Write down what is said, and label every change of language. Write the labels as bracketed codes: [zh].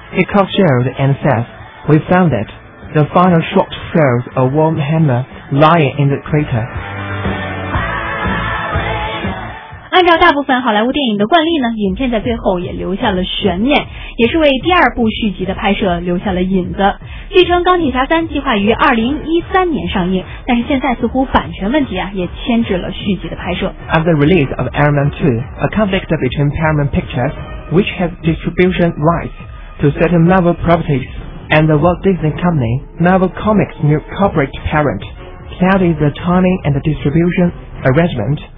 [en] He calls Shield and says, "We found it. The final shot shows a warm hammer lying in the crater." [zh] 按照大部分好莱坞电影的惯例呢，影片在最后也留下了悬念，也是为第二部续集的拍摄留下了影子。据称钢铁侠三计划于2013年上映，但是现在似乎版权问题啊也牵制了续集的拍摄。 [en] At the release of Iron Man 2, a conflict between Paramount Pictures, which has distribution rights to certain Marvel properties, and the Walt Disney Company, Marvel Comics' new corporate parent, clouded the timing and the distribution arrangement.